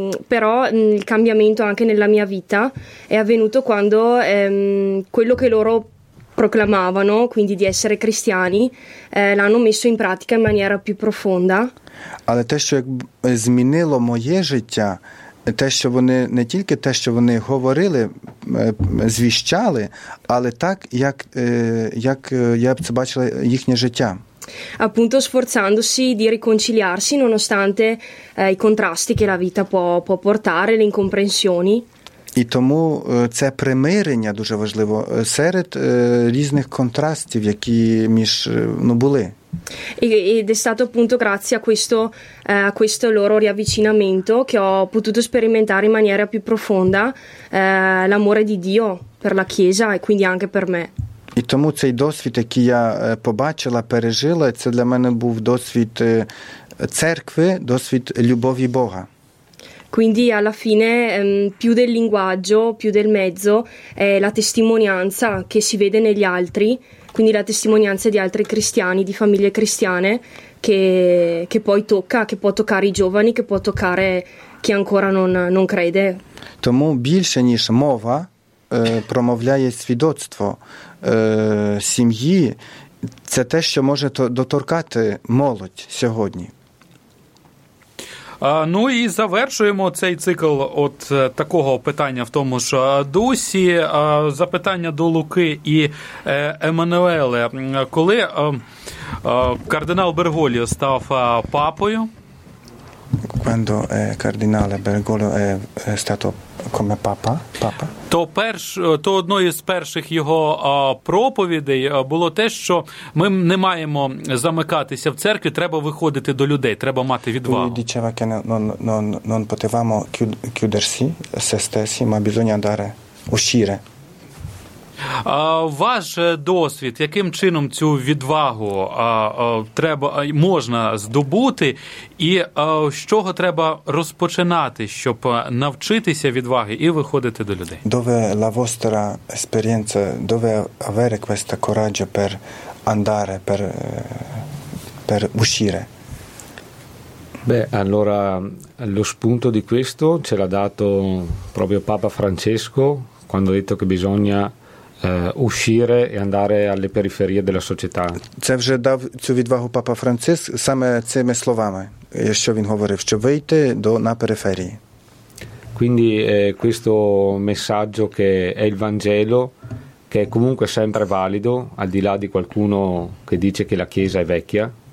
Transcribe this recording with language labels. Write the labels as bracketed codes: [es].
[it] Però il cambiamento anche nella mia vita è avvenuto quando quello che loro proclamavano, quindi di essere cristiani, l'hanno messo in pratica in maniera più profonda. [uk] Але те, що змінило моє життя, те, що вони не тільки те, що вони говорили, звіщали, але так, як я б це бачила їхнє життя. [it] Appunto sforzandosi di riconciliarsi nonostante i contrasti che la vita può portare, le incomprensioni. [uk] І тому це примирення дуже важливо серед різних контрастів, які між ну були. [it] Ed è stato appunto grazie a questo loro riavvicinamento che ho potuto sperimentare in maniera più profonda l'amore di Dio per la Chiesa e quindi anche per me. [uk] І тому цей досвід, який я побачила, пережила, це для мене був досвід церкви, досвід любові Бога. [it] Quindi alla fine più del linguaggio, più del mezzo è la testimonianza che si vede negli altri, quindi la testimonianza di altri cristiani, di famiglie cristiane che poi tocca, che può toccare i giovani, che può toccare chi ancora non crede. [uk] Тому більше ніж мова промовляє свідоцтво сім'ї, це те, що може доторкати молодь сьогодні. Ну і завершуємо цей цикл от такого питання в тому ж дусі. Запитання до Луки і Еммануеле. Коли кардинал Бергольо став папою? [it] quando кардинале Берголо è stato come папа, папа. [uk] То то одною з перших його проповідей було те, що ми не маємо замикатися в церкві, треба виходити до людей, треба мати відвагу. [it] Lui diceva che non potevamo chiudersi se stessi, ma bisogna andare uscire. [uk] Ваш досвід, яким чином цю відвагу треба можна здобути, і з чого треба розпочинати, щоб навчитися відваги і виходити до людей? [it] Dove la vostra esperienza, dove avere questo coraggio per andare, per uscire? Beh, allora lo spunto di questo ce l'ha dato proprio Papa Francesco quando ha detto che bisogna uscire e andare alle periferie della società. [uk] Це вже дав цю відвагу Папа Франциск саме цими словами, що він говорив, що вийти до на периферії. [it] Quindi questo messaggio che è il Vangelo, che è comunque sempre valido, al di là di qualcuno che dice che la Chiesa è vecchia.